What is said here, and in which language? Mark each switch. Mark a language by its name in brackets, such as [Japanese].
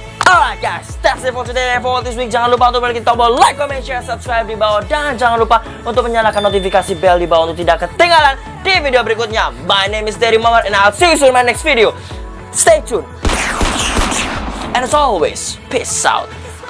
[English] Alright guys, that's it for today and for this week. [Indonesian] Jangan lupa untuk klik tombol like, comment, share, subscribe di bawah. Dan jangan lupa untuk menyalakan notifikasi bell di bawah untuk tidak ketinggalan di video berikutnya. [English] My name is Dedy Momor and I'll see you soon in my next video. Stay tuned. And as always, peace out.